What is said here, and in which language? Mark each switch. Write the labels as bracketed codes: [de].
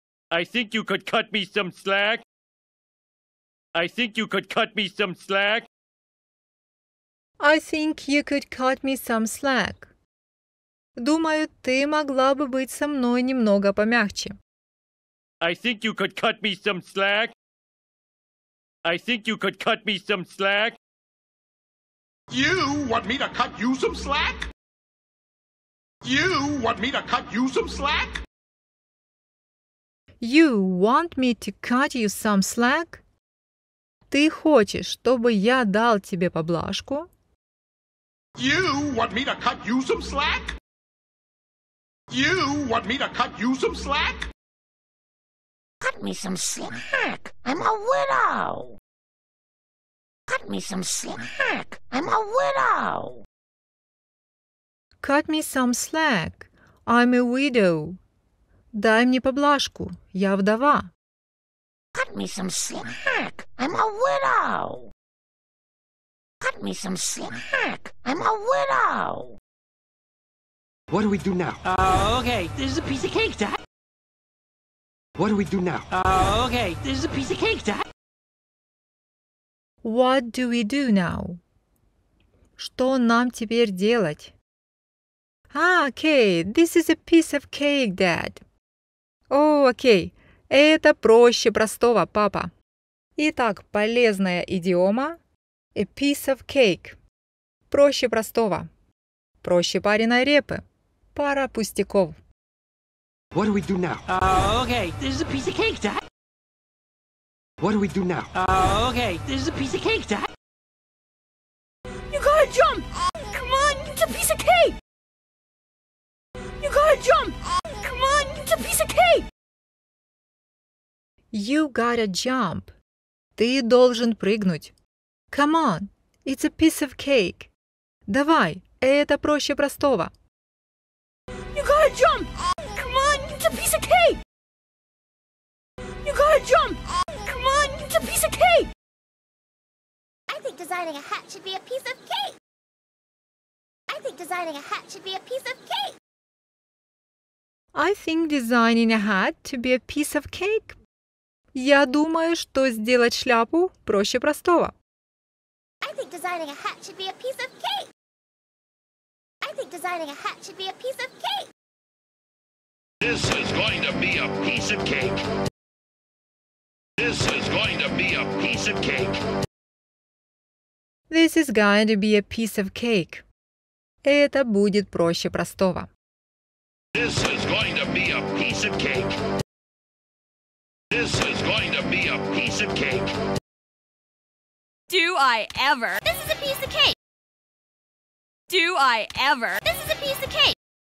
[en] I think you could cut me some slack. I think you could cut me some slack. I think you could cut me some slack. [ru] Думаю, ты могла бы быть со мной немного помягче. [en] I think you could cut me some slack. I think you could cut me some slack. You want me to cut you some slack? You want me to cut you some slack? You want me to cut you some slack? [ru] Ты хочешь, чтобы я дал тебе поблажку? [en] You want me to cut you some slack? You want me to cut you some slack? Cut me some slack! I'm a widow! Cut me some slack! I'm a widow! Cut me some slack. I'm a widow. [ru] Дай мне поблажку. Я вдова. [en] Cut me some slack. I'm a widow. Cut me some slack. I'm a widow. What do we do now? Okay, this is a piece of cake, Dad. What do we do now? Okay, this is a piece of cake, Dad. What do we do now? [ru] Что нам теперь делать? [en] Okay, this is a piece of cake, Dad. [ru] Okay, это проще простого, папа. Итак, полезная идиома. [en] A piece of cake. [ru] Проще простого. Проще пареной репы. Пара пустяков. [en] What do we do now? Okay, this is a piece of cake, Dad. What do we do now? Okay, this is a piece of cake, Dad. You gotta jump! Come on, it's a piece of cake! You gotta jump! Come on, it's a piece of cake! You gotta jump. [ru] Ты должен прыгнуть. [en] Come on, it's a piece of cake. [ru] Давай, это проще простого. [en] You gotta jump! Come on, it's a piece of cake! You gotta jump! Come on, it's a piece of cake! I think designing a hat should be a piece of cake! I think designing a hat should be a piece of cake! I think designing a hat to be a piece of cake. [ru] Я думаю, что сделать шляпу проще простого. [en] I think designing a hat should be a piece of cake. I think designing a hat should be a piece of cake. This is going to be a piece of cake. This is going to be a piece of cake. This is going to be a piece of cake. [ru] Это будет проще простого. [en] This is going to be a piece of cake. This is going to be a piece of cake. Do I ever? This is a piece of cake. Do I ever? This is a piece of cake.